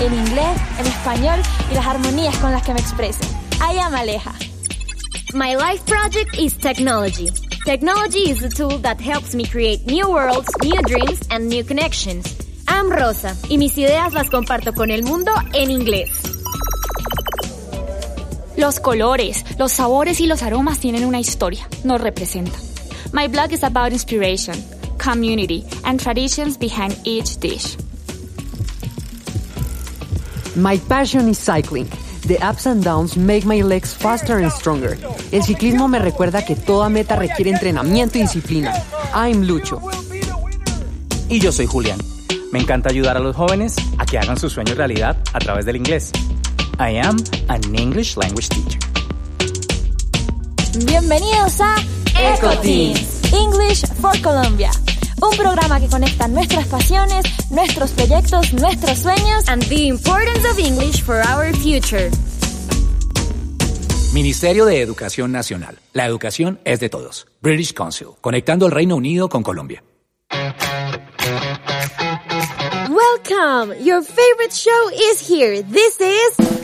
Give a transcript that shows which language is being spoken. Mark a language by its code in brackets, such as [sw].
[es] En inglés, en español y las armonías con las que me expreso. [en] I am Aleja. My life project is technology. Technology is a tool that helps me create new worlds, new dreams, and new connections. I'm [es] Rosa, y mis ideas las comparto con el mundo en inglés. Los colores, los sabores y los aromas tienen una historia, nos representan. [en] My blog is about inspiration, community, and traditions behind each dish. My passion is cycling. The ups and downs make my legs faster and stronger. [es] El ciclismo me recuerda que toda meta requiere entrenamiento y disciplina. [en] I'm Lucho. [es] Y yo soy Julián. Me encanta ayudar a los jóvenes a que hagan sus sueños realidad a través del inglés. [en] I am an English language teacher. [es] Bienvenidos a [en] EcoTeens, English for Colombia. [es] Un programa que conecta nuestras pasiones, nuestros proyectos, nuestros sueños [en] and the importance of English for our future. [es] Ministerio de Educación Nacional. La educación es de todos. British Council. Conectando el Reino Unido con Colombia. [en] Welcome. Your favorite show is here. This is